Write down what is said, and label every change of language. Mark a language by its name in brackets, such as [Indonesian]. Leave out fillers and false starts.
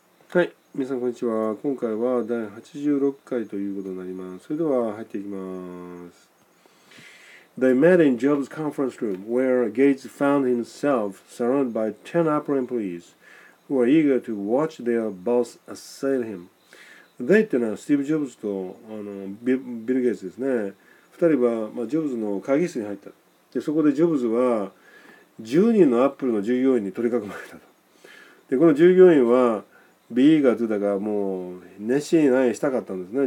[Japanese] はい、皆さんこんにちは。今回は第86回ということになります。それでは入っていきます。 [English] They met in Jobs conference room where Gates found himself surrounded by 10 upper employees who were eager to watch their boss assail him。 [Japanese] They っていうのはスティーブ・ジョブズとビル・ゲイツですね。二人は、ジョブズの会議室に入った。でそこでジョブズは10人のアップルの従業員に取り囲まれたと。でこの従業員はビーガーというだがもう熱心に何したかったんですね。